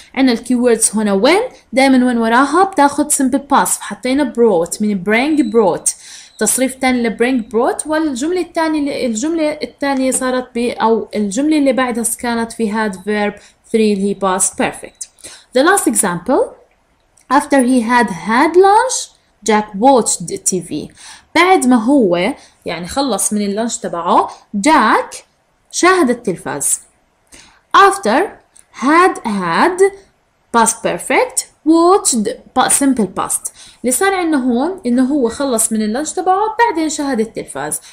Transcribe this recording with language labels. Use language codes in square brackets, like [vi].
[ar] عندنا الكيوردز هنا when، دائما when وراها بتاخد simple past. فحطينا brought، من bring brought. تصريف تاني لبرينج بروت والجملة التانية صارت ب أو الجملة اللي بعدها كانت في هاد فيرب 3 اللي هي past perfect. [en] The last example after he had lunch Jack watched the TV. [ar] بعد ما هو يعني خلص من اللانش تبعه جاك شاهد التلفاز. [en] After had past perfect watched simple past. [ar] اللي صار عندنا هون انه هو خلص من اللانش تبعه بعدين شاهد التلفاز.